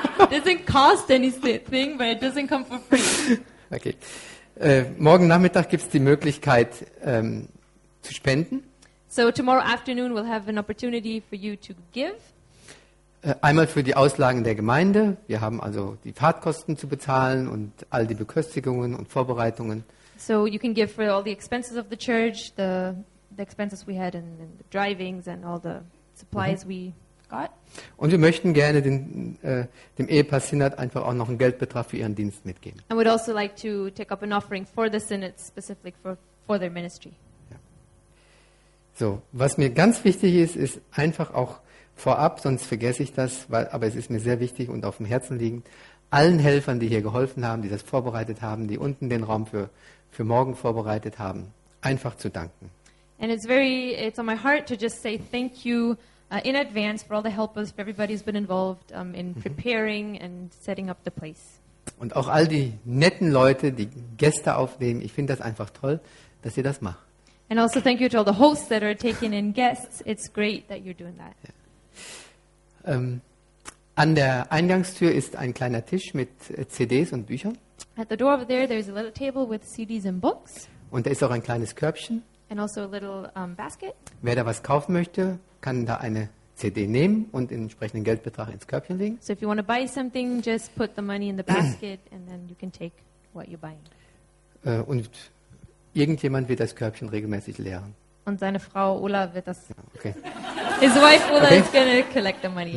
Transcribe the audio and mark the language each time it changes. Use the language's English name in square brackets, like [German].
[English] Doesn't cost anything, but it doesn't come for free. Okay. [German] Morgen Nachmittag gibt es die Möglichkeit zu spenden. [English] So tomorrow afternoon we'll have an opportunity for you to give. [German] Einmal für die Auslagen der Gemeinde. Wir haben also die Fahrtkosten zu bezahlen und all die Beköstigungen und Vorbereitungen. [English] So you can give for all the expenses of the church, the expenses we had and the drivings and all the supplies we got. [German] Und wir möchten gerne dem Ehepaar Sinnert einfach auch noch einen Geldbetrag für ihren Dienst mitgeben. [English] And we'd also like to take up an offering for the Sinnert specifically for their ministry. [German] Ja. So, was mir ganz wichtig ist, ist einfach auch vorab, sonst vergesse ich das, aber es ist mir sehr wichtig und auf dem Herzen liegend, allen Helfern, die hier geholfen haben, die das vorbereitet haben, die unten den Raum für morgen vorbereitet haben, einfach zu danken. [English] And it's on my heart to just say thank you in advance for all the helpers, for everybody who's been involved in preparing and setting up the place. [German] Und auch all die netten Leute, die Gäste aufnehmen, ich finde das einfach toll, dass ihr das macht. [English] And also thank you to all the hosts that are taking in guests. It's great that you're doing that. [German] Ja. An der Eingangstür ist ein kleiner Tisch mit CDs und Büchern. [English] At the door over there, there's a little table with CDs and books. [German] Und da ist auch ein kleines Körbchen. [English] And also a little basket. [German] Wer da was kaufen möchte, kann da eine CD nehmen und den entsprechenden Geldbetrag ins Körbchen legen. [English] So if you want to buy something, just put the money in the basket and then you can take what you're buying. [German] Und irgendjemand wird das Körbchen regelmäßig leeren. Und seine Frau Ulla wird das. [English] Okay. His wife Ulla is going to collect the money.